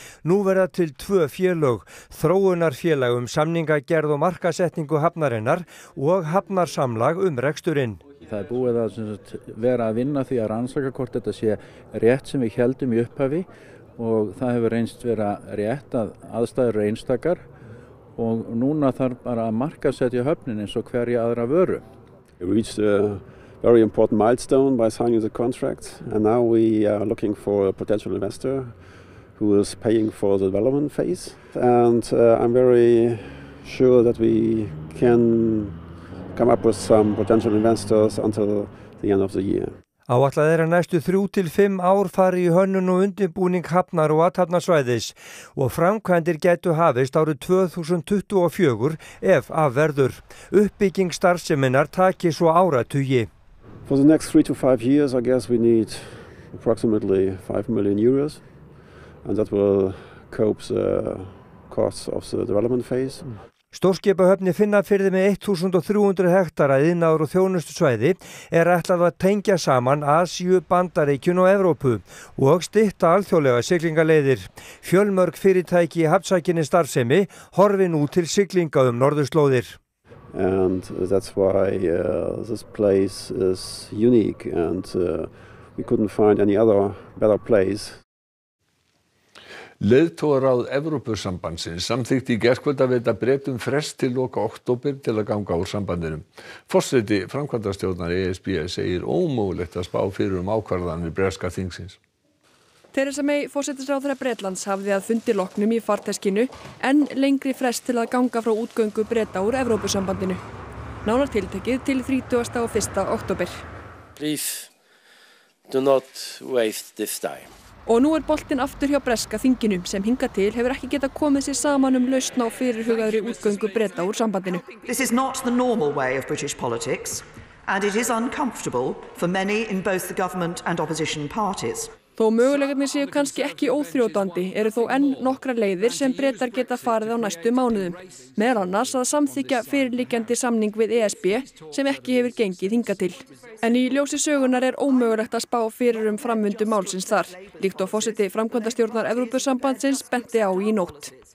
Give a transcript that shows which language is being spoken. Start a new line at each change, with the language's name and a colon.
Icelandic: Nú verða til tvö félög, þróunarfélag samningagerð og markasetningu hafnarinnar og hafnarsamlag reksturinn. Það búið að vera að vinna því að rannsaka hvort þetta sé rétt sem við heldum í upphafi og það hefur reynst vera rétt að aðstæður einstakar. Og núna þarf bara að markaðsetja höfnin eins og hverja aðra vöru.
English: We reached a very important milestone by signing the contract and now we are looking for a potential investor who is paying for the development phase and I'm very sure that we can come up with some potential investors until the end of the year.
Icelandic: Áætlað að næstu 3 til 5 ár fari í hönnun og undirbúning hafnar og athafnasvæðis og framkvæmdir gætu hafist árið 2024 ef af verður. Uppbygging starfseminnar taki svo áratugi.
English: For the next 3 to 5 years I guess we need approximately 5 million euros and that will cope the costs of the development phase.
Icelandic: Stórskipahöfni Finnafirði með 1300 hektara iðnaðar og þjónustusvæði er ætlað að tengja saman Asíu, Bandaríkjun og Evrópu og stytta alþjóðlega siglingaleiðir. Fjölmörg fyrirtæki í hafnsækinni starfsemi horfi nú til siglinga norðurslóðir.
English: And that's why this place is unique and we couldn't find any other better place.
Icelandic: Leiðtogaráð Evrópusambandsins samþykkti í gærkvöld að veita Bretum frest til loka október til að ganga úr sambandinu. Forseti framkvæmdastjórnar ESB segir ómögulegt að spá fyrir ákvarðanir breska þingsins. Theresa May, forsætisráðherra Bretlands, hafði að fundi loknum í farteskinu en lengri frest til að ganga frá útgöngu Breta úr Evrópusambandinu. nánar tiltekið til 31. október.
English: Please do not waste this time.
Icelandic: Og nú er boltinn aftur hjá breska þinginu sem hinga til hefur ekki geta komið sér saman lausn á fyrirhugaðri útgöngu Breta úr sambandinu.
English: This is not the normal way of British politics and it is uncomfortable for many in both the government and opposition parties.
Icelandic: Þó möguleikarnir séu kannski ekki óþrjótandi, eru þó enn nokkrar leiðir sem Bretar geta farið á næstu mánuðum. Meðal annars að samþykja fyrirliggjandi samning við ESB sem ekki hefur gengið hingað til. En í ljósi sögunar er ómögulegt að spá fyrir framvindu málsins þar, líkt og forseti framkvæmdastjórnar Evrópusambandsins benti á í nótt.